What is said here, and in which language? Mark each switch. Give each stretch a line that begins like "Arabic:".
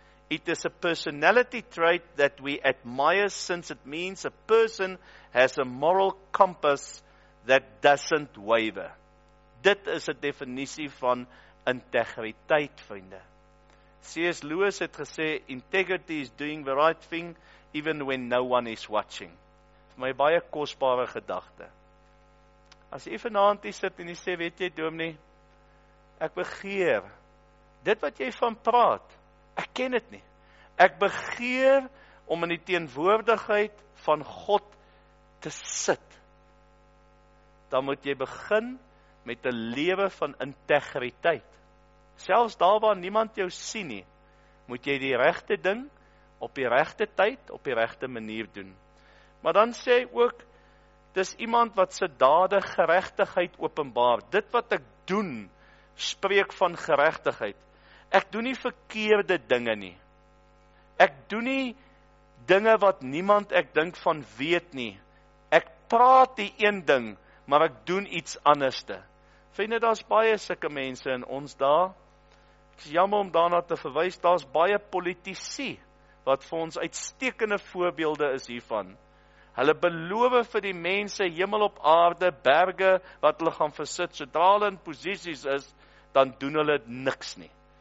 English: It is a personality trait that we admire since it means a person has a moral compass that doesn't waver.
Afrikaans: Dit is 'n definisie van integriteit, vriende. C.S.
English: Lewis
Afrikaans: het gesê,
English: integrity is doing the right thing even when no one is watching.
Afrikaans: My baie kosbare gedagte. As jy vanaand hier sit en jy sê, weet jy dominee, ek begeer, dit wat jy van praat, ek ken het nie. Ek begeer om in die teenwoordigheid van God te sit. Dan moet jy begin met 'n lewe van integriteit. Selfs daar waar niemand jou sien nie, moet jy die regte ding, op die regte tyd, op die regte manier doen. Maar dan sê hy ook, dis iemand wat sy dade geregtigheid openbaar. Dit wat ek doen, spreek van geregtigheid. Ek doen nie verkeerde dinge nie. Ek doen nie dinge wat niemand ek dink van weet nie. Ek praat die een ding, maar ek doen iets anderste. Vind jy, daar is baie sulke mense in ons daar. Ek is jammer om daarna te verwys, daar is baie politici, wat vir ons uitstekende voorbeelde is hiervan. Hulle beloof vir die mense hemel op aarde, berge, wat hulle gaan versit, sodra hulle in posisies is, dan doen hulle niks nie.